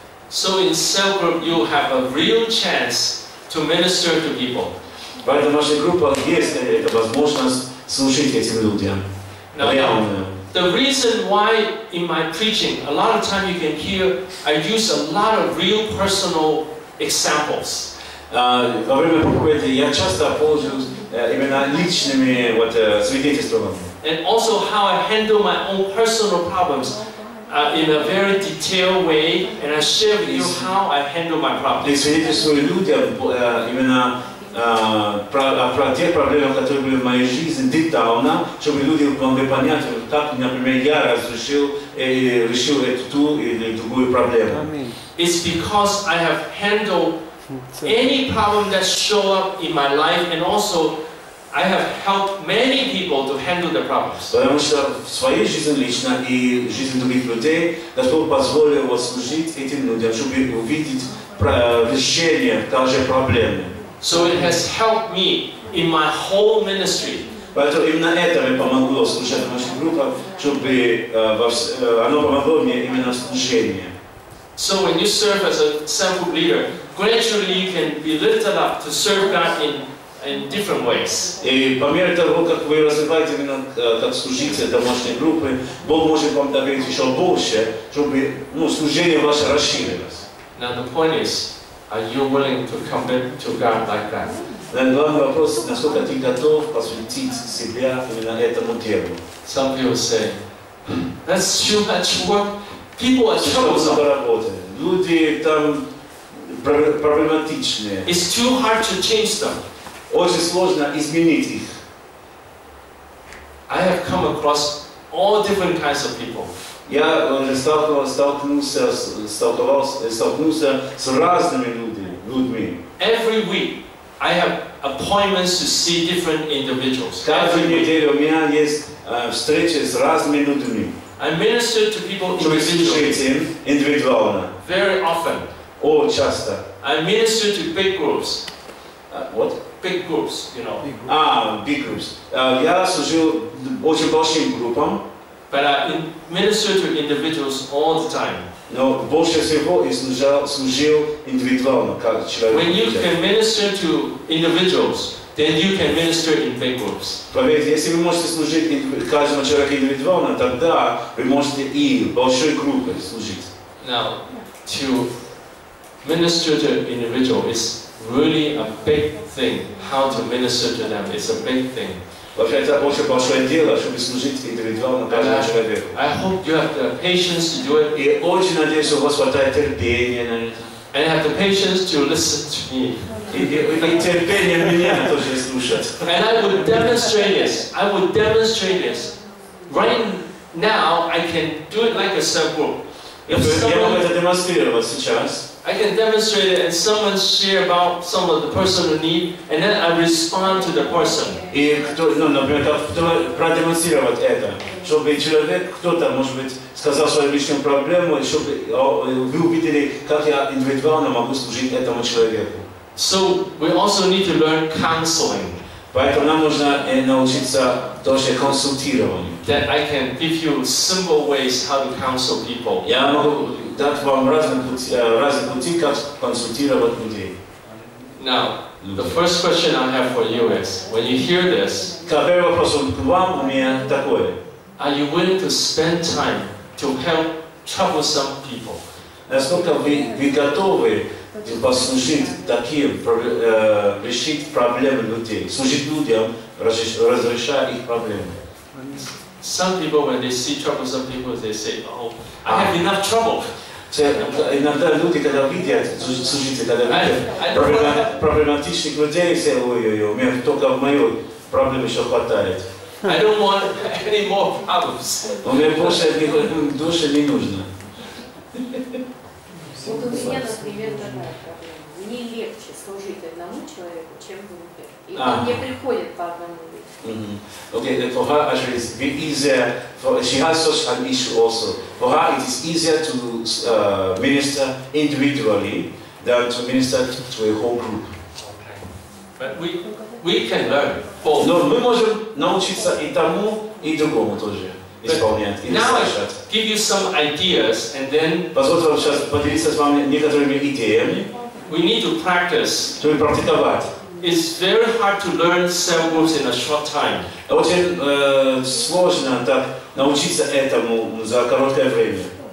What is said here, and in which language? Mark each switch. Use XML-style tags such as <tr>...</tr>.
<en>So in cell group you have a real chance to minister to people.</en> <ru>Поэтому в нашей группе есть эта возможность служить этим людям.</ru> <en>The reason why in my preaching, a lot of time you can hear, I use a lot of real personal examples.</en> <ru>Во время проповеди я часто пользуюсь именно личными вот свидетельствами.</ru> <en>And also how I handle my own personal problems in a very detailed way, and I share with you how I handle my problems.</en> <ru>Свидетельствую людям именно про те проблемы, которые были в моей жизни детально, чтобы люди могли понять, как, например, я разрешил и решил эту ту или другую проблему.</ru> <en>It's because I have handled any problem that show up in my life, and also I have helped many people to handle the problems.</en> <ru>Потому что в своей жизни лично и жизни других людей Господь позволил служить этим людям, чтобы увидеть решение также проблемы.</ru> <en>So it has helped me in my whole ministry.</en> <ru>Поэтому именно это мне помогло служить в нашей группе, чтобы оно помогло мне именно служение.</ru> <en>So when you serve as a cell group leader, gradually you can be lifted up to serve God in different ways.</en> <ru>И по мере того, как вы развиваете именно как служитель домашней группы, Бог может вам добавить еще больше, чтобы служение ваше расширилось.</ru> <en>Now the point is, are you willing to commit to God like that? Then</en> <ru>главный вопрос, насколько ты готов посвятить себя именно этому делу.</ru> <en>Some people say, that's too much work. People are troublesome.</en> <ru>Люди там проблематичные.</ru> <en>It's too hard to change them.</en> <ru>Очень сложно изменить их.</ru> <en>I have come across all different kinds of people.</en> <ru>Я уже столкнулся с разными людьми.</ru> <en>Every week I have appointments to see different individuals.</en> <ru>Каждую неделю у меня есть встречи с разными людьми.</ru> <en>I minister to people individually. Very often.</en> <ru>Oh, часто.</ru> <en>I minister to big groups. What? Big groups, you know. Big groups.</en> <ru>Я служил очень большим группам.</ru> <en>But I minister to individuals all the time.</en> <ru>Но больше всего я служил индивидуально, как человек.</ru> <en>When you can minister to individuals, then you can minister in big groups.</en> <ru>Поверьте, если вы можете служить каждому человеку индивидуально, тогда вы можете и в большой группе служить.</ru> <en>Now, to minister to individuals is really a big thing. How to minister to them is a big thing.</en> <ru>Вообще, это очень большое дело, чтобы служить индивидуально каждому человеку.</ru> <en>I hope you have the patience to do it.</en> <ru>И очень надеюсь, что у вас хватает терпения на это.</ru> <en>And have the patience to listen to me.</en> <ru>И терпение меня тоже слушать.</ru> <en>And I would demonstrate this. Right now, I can do it like a cell group.</en> <ru>Я могу это демонстрировать сейчас.</ru> <en>I can demonstrate it and someone share about some of the personal need and then I respond to the person.</en> <ru>И кто, например, продемонстрировать это, чтобы человек, кто-то, может быть, сказал свою личную проблему, чтобы вы увидели, как я индивидуально могу служить этому человеку.</ru> <en>So we also need to learn counseling.</en> <ru>Поэтому нам нужно научиться тоже консультированию.</ru> <en>That I can give you simple ways how to counsel people.</en> <ru>Я могу дать вам разные пути, как консультировать людей.</ru> <en>Now, the first question I have for you is, when you hear this,</en> <ru>первый вопрос к вам у меня такой.</ru> <en>Are you willing to spend time to help troublesome people?</en> <ru>Насколько вы готовы послужить таким, решить проблемы людей, служить людям, разрешая их проблемы?</ru> <en>Some people, when they see troublesome people, they say, oh, I have enough trouble.</en> <ru>Иногда люди, когда видят служителей, когда видят проблематичных людей, они говорят, ой-ой-ой, у меня только в моей проблеме еще хватает.</ru> <en>I don't want any more problems.</en> <ru>У меня больше не нужно. Вот у меня, например, такая проблема. Мне легче служить одному человеку, чем другому. И мне приходят по одному.</ru> <en>Mm-hmm. Okay, for her, actually, it's a bit easier. She has social issues also. For her, it is easier to minister individually than to minister to a whole group. But we can learn both.</en> <ru>No, мы можем научиться и тому, и другому тоже.</ru> <en>Now I give you some ideas, and then.</en> <ru>Позвольте вам сейчас поделиться с вами некоторыми идеями.</ru> <en>We need to practice.</en> <ru>То есть практиковать.</ru> <en>It's very hard to learn cell groups in a short time.</en> <ru>Очень сложно так научиться этому за короткое время.</ru>